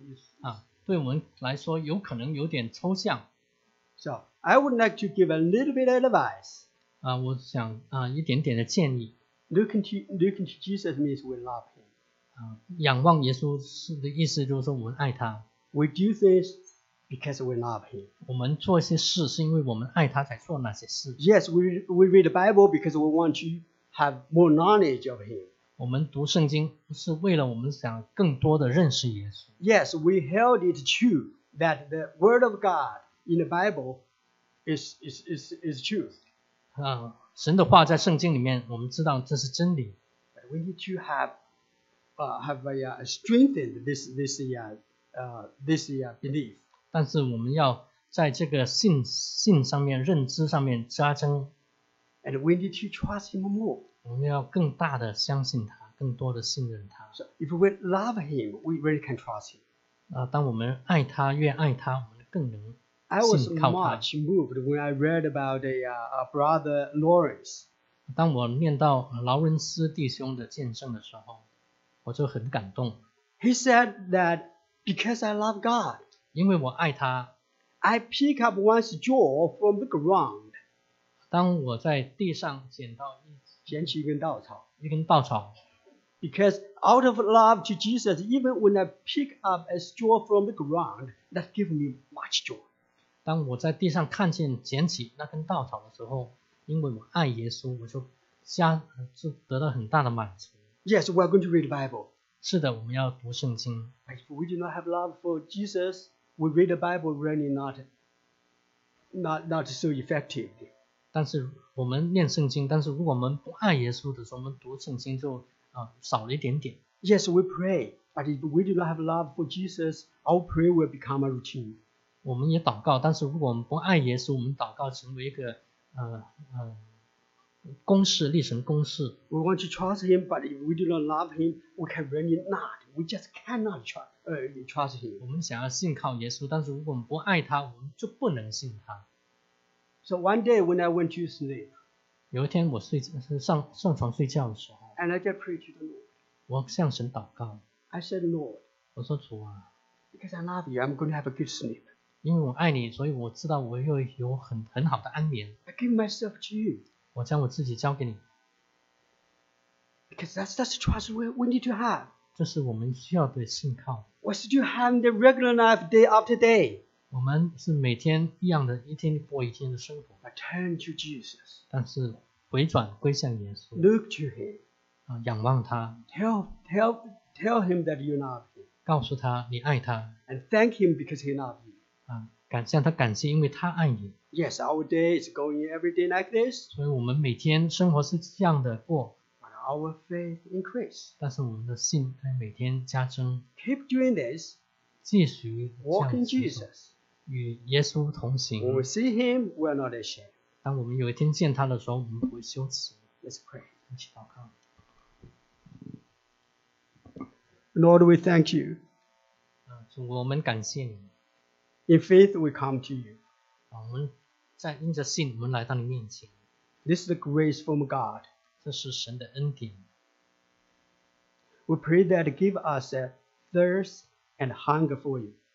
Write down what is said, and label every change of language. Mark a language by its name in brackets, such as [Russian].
[Chinese] It's 对我们来说有可能有点抽象。 [English] So. I would like to give a little bit of advice. [Chinese] 我想一点点的建议。 [English] Looking to Jesus means we love him. [Chinese] 仰望耶稣的意思就是说我们爱他。 [English] We do things because we love him. [Chinese] 我们做一些事是因为我们爱他才做那些事。 [English] Yes, we read the Bible because we want to have more knowledge of him. [Chinese] 我们读圣经是为了我们想更多的认识耶稣。 [English] Yes, we held it true that the word of God in the Bible. Is truth. [Chinese] 神的话在圣经里面，我们知道这是真理。 [English] But we need to have strengthened this belief. [Chinese] 但是我们要在这个信上面、认知上面加增。 [English] And we need to trust him more. [Chinese] 我们要更大的相信他，更多的信任他。 [English] So if we love him, we really can trust him. [Chinese] 当我们爱他，越爱他，我们更能。 [English] I was much moved when I read about a brother Lawrence. [Chinese] 当我念到劳伦斯弟兄的见证的时候，我就很感动。 [English] He said that because I love God, [Chinese] 因为我爱他 [English] I pick up one's jaw from the ground. [Chinese] 当我在地上捡到捡起一根稻草 [English] Because out of love to Jesus, even when I pick up a jaw from the ground, that gives me much joy. [Chinese] 当我在地上看见捡起那根稻草的时候，因为我爱耶稣，我就得到很大的满足。 [English] Yes, we are going to read the Bible. [Chinese] 是的，我们要读圣经。 [English] But if we do not have love for Jesus, we read the Bible really not so effective. [Chinese] 但是我们念圣经，但是如果我们不爱耶稣的时候，我们读圣经就少了一点点。 [English] Yes, we pray, but if we do not have love for Jesus, our prayer will become a routine. [Chinese] 我们也祷告，但是如果我们不爱耶稣，我们祷告成为一个公式，立成公式。 [English] We want to trust him, but if we do not love him, we can really not. We just cannot trust him. [Chinese] 我们想要信靠耶稣，但是如果我们不爱他，我们就不能信他。 [English] So one day when I went to sleep, [Chinese] 有一天我上床睡觉的时候 [English] ，and I just prayed to the Lord. [Chinese] 我向神祷告。 [English] I said, Lord, [Chinese] 我说主啊 [English] ，because I love you, I'm going to have a good sleep. [Chinese] 因为我爱你，所以我知道我又有很好的安眠。 [English] I give myself to you. [Chinese] 我将我自己交给你。 [English] Because that's the trust we need to have. [Chinese] 这是我们需要的信靠。 [English] We should have the regular life day after day. [Chinese] 我们是每天一样的，一天过一天的生活。 [English] I turn to Jesus. [Chinese] 但是回转归向耶稣。 [English] Look to him. [Chinese] 仰望他。 [English] Tell him that you love him. [Chinese] 告诉他你爱他。 [English] And thank him because he loves you. [Chinese] 向他感谢，因为他爱你。 [English] Yes, our day is going every day like this. [Chinese] 所以我们每天生活是这样的过。 [English] But our faith increase. [Chinese] 但是我们的信每天加增。 [English] Keep doing this. [Chinese] 继续。 [English] Walking Jesus. [Chinese] 与耶稣同行。 [English] When we see him, we are not ashamed. [Chinese] 当我们有一天见他的时候，我们不会羞耻。 [English] Let's pray. [Chinese] 一起祷告。 [English] Lord, we thank you. [Chinese] 主，我们感谢你。 [English] In faith, we come to you. [Chinese] 我们在因着信，我们来到你面前。 [English] This is the grace from God. [Chinese] 这是神的恩典。 [English] We pray that give us a thirst and hunger for you.